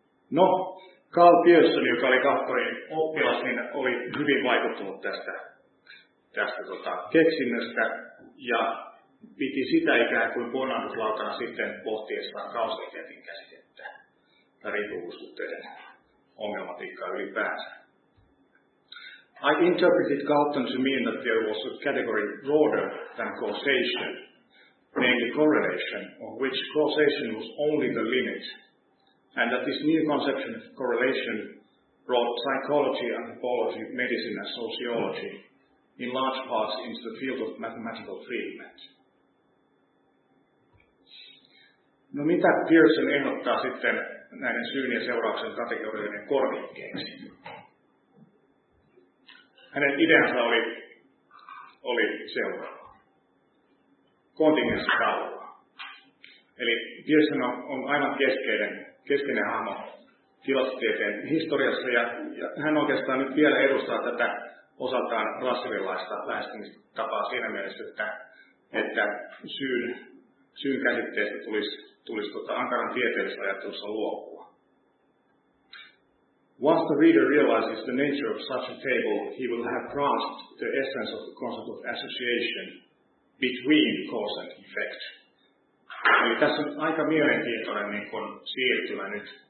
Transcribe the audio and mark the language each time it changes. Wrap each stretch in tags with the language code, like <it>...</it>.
<fi>No, Carl Pearson, joka oli Galtonin oppilas, niin oli hyvin vaikuttunut tästä keksinnöstä ja piti sitä ikään kuin ponnahduslautana sitten pohtiessaan kausaliteetin käsitettä tai riippuvuussuhteiden ongelmatiikkaa ylipäänsä.</fi> <en>I interpreted Galton to mean that there was a category broader than causation, namely correlation, of which causation was only the limit, and that this new conception of correlation brought psychology, anthropology, medicine and sociology in large parts into the field of mathematical treatment.</en> <fi>No, mitä Pearson ehdottaa sitten näiden syyn ja seurauksen kategorioiden korvikkeeksi? Hänen ideansa oli seuraava. Kontingenssitaulua. Eli Pearson on aivan keskeinen hahmo tilastotieteen historiassa, ja hän oikeastaan nyt vielä edustaa tätä osaltaan russellilaista lähestymistapaa siinä mielessä, että syyn käsitteestä tulisi ankaran tieteellisessä ajattelussa luopua.</fi> <en>Once the reader realizes the nature of such a table, he will have grasped the essence of the concept of association between cause and effect.</en> <fi>Eli tässä on aika mielenkiintoinen niin kuin siirtymä nyt.</fi>